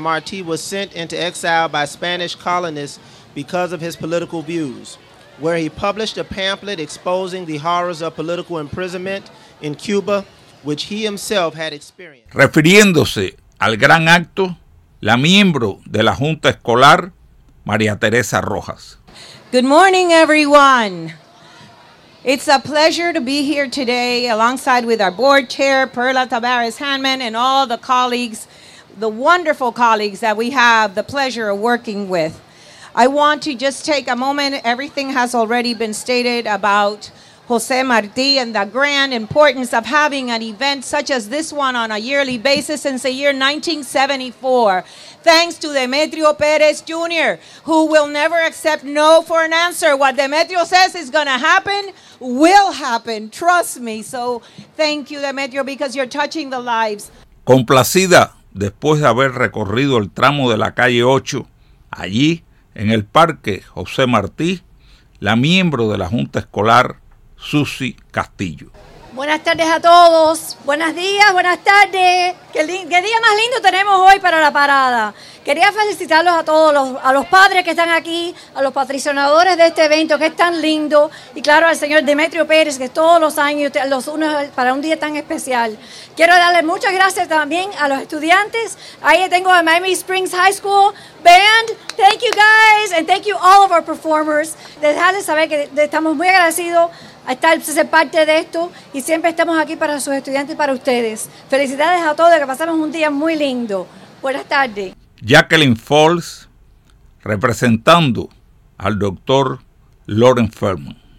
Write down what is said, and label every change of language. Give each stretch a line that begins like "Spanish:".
English: Martí was sent into exile by Spanish colonists because of his political views, where he published a pamphlet exposing the horrors of political imprisonment in Cuba, which he himself had experienced.
Spanish: Refiriéndose al gran acto, la miembro de la Junta Escolar, María Teresa Rojas.
English: Good morning, everyone. It's a pleasure to be here today alongside with our board chair, Perla Tavares Hanman, and all the colleagues, the wonderful colleagues that we have the pleasure of working with. I want to just take a moment. Everything has already been stated about José Martí and the grand importance of having an event such as this one on a yearly basis since the year 1974. Thanks to Demetrio Pérez Jr., who will never accept no for an answer. What Demetrio says is going to happen, will happen. Trust me. So thank you, Demetrio, because you're touching the lives.
Spanish: Complacida después de haber recorrido el tramo de la calle 8, allí en el parque José Martí, la miembro de la Junta Escolar, Susy Castillo. Buenas tardes a todos. Buenos días, buenas tardes. ¿Qué día más lindo tenemos hoy para la parada? Quería felicitarlos a todos, a los padres que están aquí, a los patrocinadores de este evento que es tan lindo, y claro al señor Demetrio Pérez, que todos los años los une para un día tan especial. Quiero darle muchas gracias también a los estudiantes. Ahí tengo a Miami Springs High School Band.
English: Thank you guys, and thank you all of our performers.
Spanish: Dejarles saber que estamos muy agradecidos a ser parte de esto, y siempre estamos aquí para sus estudiantes y para ustedes. Felicidades a todos, que pasamos un día muy lindo. Buenas tardes. Jacqueline Falls, representando al doctor Loren Furman.